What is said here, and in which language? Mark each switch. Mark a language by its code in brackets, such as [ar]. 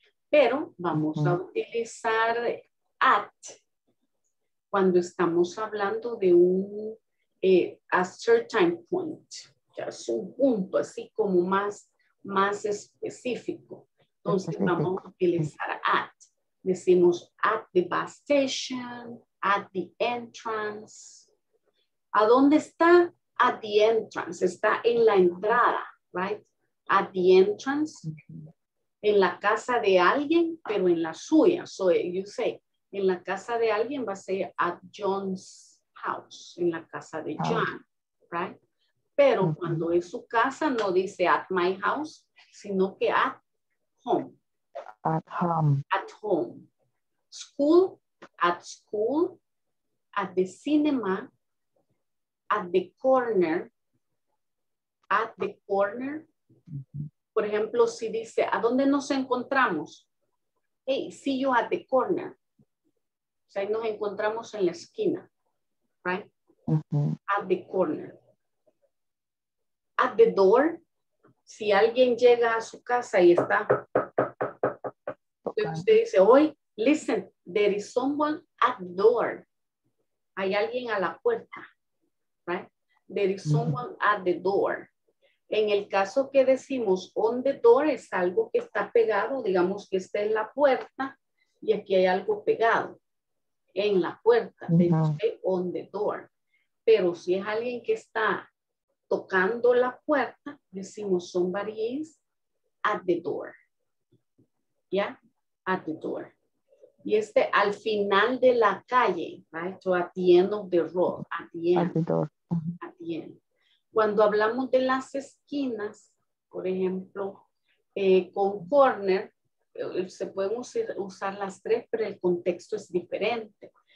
[es] Pero vamos a utilizar at. Cuando estamos hablando de un [en] a certain point, [es] ya es un punto así como más específico. Entonces vamos a utilizar at. [en] Decimos at the bus station, at the entrance. [es] ¿A dónde está? [en] At the entrance. [es] Está en la entrada, right? [en] At the entrance. [es] En la casa de alguien, pero en la suya. [en] So you say, [es] en la casa de alguien va a ser [en] at John's house, [es] en la casa de John, right? Pero cuando es su casa no dice [en] at my house, [es] sino que [en] at home. At home. At home. School, at school, at the cinema, at the corner, at the corner. [es] Por ejemplo, si dice, ¿a dónde nos encontramos? [en] Hey, see you at the corner. [es] O sea, ahí nos encontramos en la esquina, [en] right? At the corner. At the door, [es] si alguien llega a su casa y está, usted dice, hoy, [en] listen, there is someone at the door. [es] Hay alguien a la puerta, [en] right? There is someone at the door. [es] En el caso que decimos [en] on the door, [es] es algo que está pegado, digamos que está en la puerta y aquí hay algo pegado. En la puerta, [en] on the door. [es] Pero si es alguien que está tocando la puerta, decimos [en] somebody is at the door. Yeah, at the door. [es] Y este al final de la calle, right? [en] So at the end of the road, at the end. At the door. At the end. [es] Cuando hablamos de las esquinas, por ejemplo, con corner, se pueden usar las tres, pero el contexto es diferente.